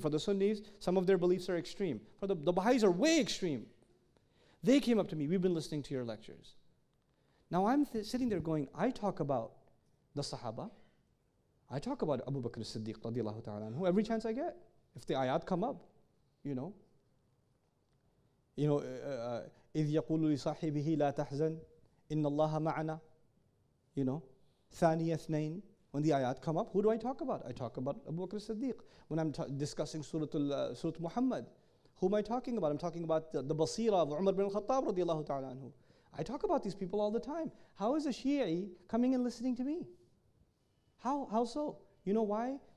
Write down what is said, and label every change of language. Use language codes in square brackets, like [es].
[en] For the Sunnis, some of their beliefs are extreme. For the Baha'is are way extreme. They came up to me. We've been listening to your lectures. Now I'm sitting there going, I talk about the Sahaba. I talk about Abu Bakr as-Siddiq radiallahu ta'ala anhu every chance I get. If the ayat come up, you know. You know, [ar] إِذْ يَقُولُ لِصَاحِبِهِ لَا تَحْزَنْ إِنَّ اللَّهَ مَعَنَا. [en] You know, [ar] ثَانِيَ اثْنَيْنِ. [en] When the ayat come up, who do I talk about? I talk about Abu Bakr as-Siddiq. When I'm discussing Surah Muhammad, who am I talking about? I'm talking about the basira of Umar bin al-Khattab radiallahu ta'ala anhu. I talk about these people all the time. How is a Shi'i coming and listening to me? How so? You know why?